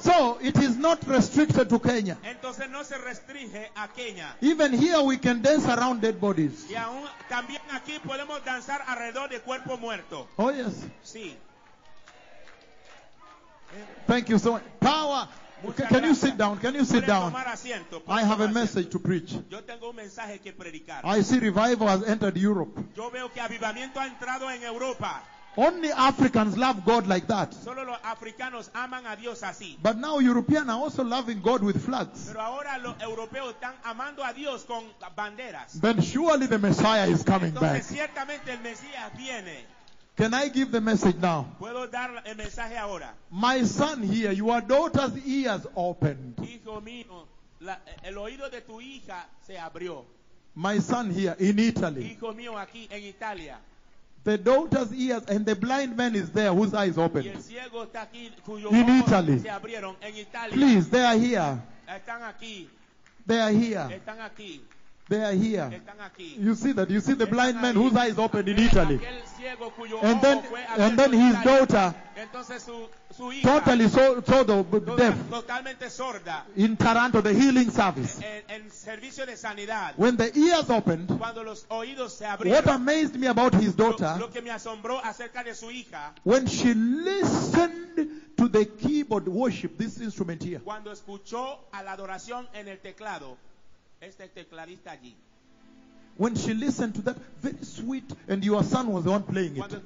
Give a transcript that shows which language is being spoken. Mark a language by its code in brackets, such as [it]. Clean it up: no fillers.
[en] So it is not restricted to Kenya. [es] Entonces no se restringe a Kenya. [en] Even here we can dance around dead bodies. [es] Y aún, también aquí podemos danzar alrededor de cuerpo muerto. [en] Oh yes. [es] Sí. [en] Thank you so much. Power. Can you sit down? Can you sit down? I have a message to preach. [es] Yo tengo un mensaje que predicar. [en] I see revival has entered Europe. [es] Yo veo que avivamiento ha entrado en Europa. [en] Only Africans love God like that. [es] Solo los africanos aman a Dios así. [en] But now Europeans are also loving God with flags. [es] Pero ahora los europeos están amando a Dios con banderas. [en] Then surely the Messiah is coming [es] entonces, [en] back. [es] Ciertamente el Mesías viene. [en] Can I give the message now? [es] ¿Puedo dar el mensaje ahora? [en] My son here, your daughter's ears opened. [es] Hijo mío, el oído de tu hija se abrió. [en] My son here in Italy. [es] Hijo mío, aquí en Italia. [en] The daughter's ears and the blind man is there whose eyes opened. [es] Y el ciego está aquí, cuyo [en] in Italy. [es] Se abrieron en Italia. [en] Please, they are here. [es] Están aquí. [en] They are here. [es] Están aquí. [en] They are here. [es] Están aquí. [en] You see that? You see the blind man whose eyes opened in Italy. [es] Aquel ciego cuyo [en] and then, [es] fue [en] and then his daughter, [es] entonces su hija, [en] totally sordo, deaf, [es] totalmente sorda, [en] in Taranto, the healing service. [es] En servicio de sanidad, [en] when the ears opened, [es] cuando los oídos se abrieron, [en] what amazed me about his daughter, [es] lo que me asombró acerca de su hija, [en] when she listened to the keyboard worship, this instrument here, [es] cuando escuchó a la adoración en el teclado, este tecladista allí. [en] When she listened to that very sweet and your son was the one playing it.